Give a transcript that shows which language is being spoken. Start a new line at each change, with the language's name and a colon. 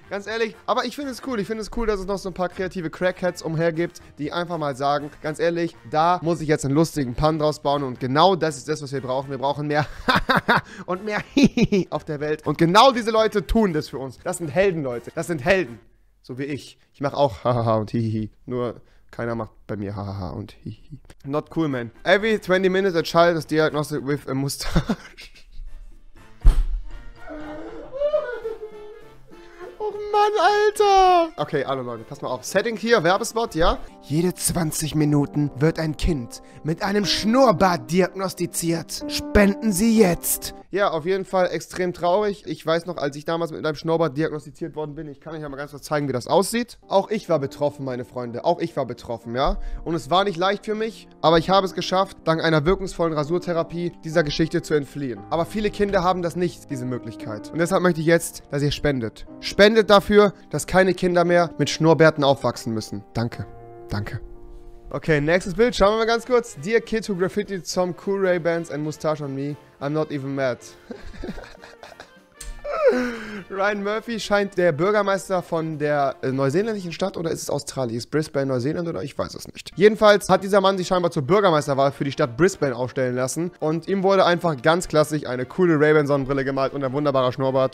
German: Ganz ehrlich, aber ich finde es cool. Ich finde es cool, dass es noch so ein paar kreative Crackheads umhergibt, die einfach mal sagen, ganz ehrlich, da muss ich jetzt einen lustigen Pun draus bauen und genau das ist das, was wir brauchen. Wir brauchen mehr und mehr auf der Welt. Und genau diese Leute tun das für uns. Das sind Helden, Leute. Das sind Helden. So wie ich. Ich mache auch hahaha und hihihi. Nur keiner macht bei mir hahaha und hihihi.
English: Not cool, man. Every 20 minutes a child is diagnosed with a mustache.
German: Oh Mann, Alter. Okay, alle Leute, pass mal auf. Setting hier, Werbespot, ja? Jede 20 Minuten wird ein Kind mit einem Schnurrbart diagnostiziert. Spenden Sie jetzt. Ja, auf jeden Fall extrem traurig. Ich weiß noch, als ich damals mit einem Schnurrbart diagnostiziert worden bin, ich kann euch ja mal ganz kurz zeigen, wie das aussieht. Auch ich war betroffen, meine Freunde. Auch ich war betroffen, ja? Und es war nicht leicht für mich, aber ich habe es geschafft, dank einer wirkungsvollen Rasurtherapie dieser Geschichte zu entfliehen. Aber viele Kinder haben das nicht, diese Möglichkeit. Und deshalb möchte ich jetzt, dass ihr spendet. Spendet dafür, dass keine Kinder mehr mit Schnurrbärten aufwachsen müssen. Danke. Danke. Okay, nächstes Bild. Schauen wir mal ganz kurz.
English: Dear kid who graffitied some cool Ray-Bans and mustache on me. I'm not even mad.
German: Ryan Murphy scheint der Bürgermeister von der neuseeländischen Stadt oder ist es Australien? Ist Brisbane Neuseeland oder ich weiß es nicht. Jedenfalls hat dieser Mann sich scheinbar zur Bürgermeisterwahl für die Stadt Brisbane aufstellen lassen und ihm wurde einfach ganz klassisch eine coole Ray-Ban-Sonnenbrille gemalt und ein wunderbarer Schnurrbart.